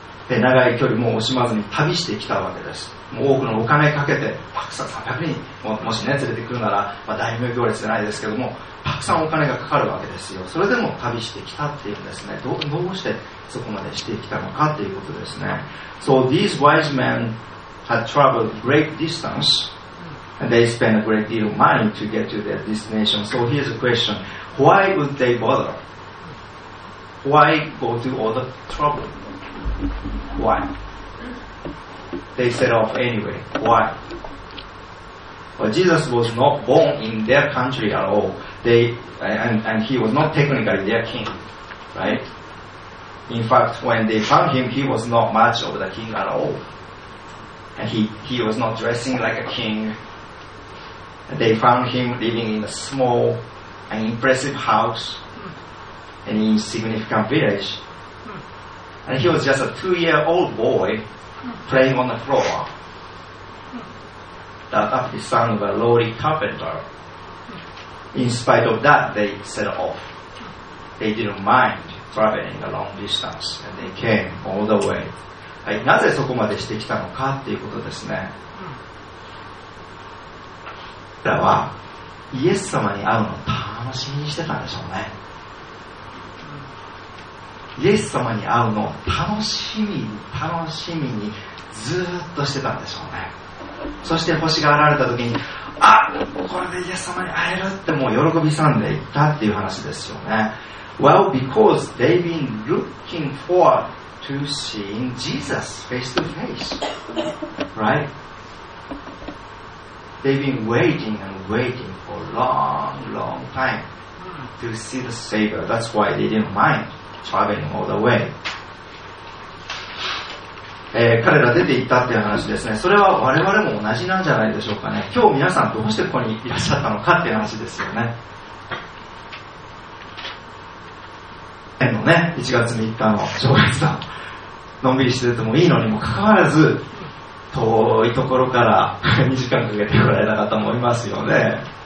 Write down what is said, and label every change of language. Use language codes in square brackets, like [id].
[ja] 長い距離も惜しまずに旅してきたわけです。もう多くのお金かけて、たくさん300人 もしね連れてくるなら、まあ、大名行列じゃないですけども、たくさんお金がかかるわけですよ。それでも旅してきたっていうんですね。どうしてそこまでしてきたのかっていうことですね。 [en] So these wise men had traveled great distance and they spent a great deal of money to get to their destination. So here's a question. Why would they bother? Why go through all the trouble? Why? They set off anyway. Why? Well, Jesus was not born in their country at all. They, and he was not technically their king, right? In fact, when they found him, he was not much of the king at all. And he was not dressing like a king. And they found him living in a small and impressive house in an insignificant village. And he was just a two-year-old boy playing on the floor. That was the son of a lowly carpenter. In spite of that, they set off. They didn't mind traveling a long distance, and they came all the way. [ja] はい、なぜそこまでしてきたのかっていうことですね。彼らはイエス様に会うのを楽しみにしてたんでしょうね。イエス様に会うのを楽しみにずっとしてたんでしょうね。そして星が現れた時に、あ、これでイエス様に会えるってもう喜びさんでいったっていう話ですよね。 [en] Well, because they've been looking forward to seeing Jesus face to face, right? They've been waiting and waiting for a long, long time to see the Savior. That's why they didn't mind traveling all the way. [ja] 彼ら出て行ったっていう話ですね。それは我々も同じなんじゃないでしょうかね。今日皆さんどうしてここにいらっしゃったのかっていう話ですよね。ね、1月3日の正月だ、のんびりしててもいいのにもかかわらず遠いところから2時間かけて来られた方もいますよね。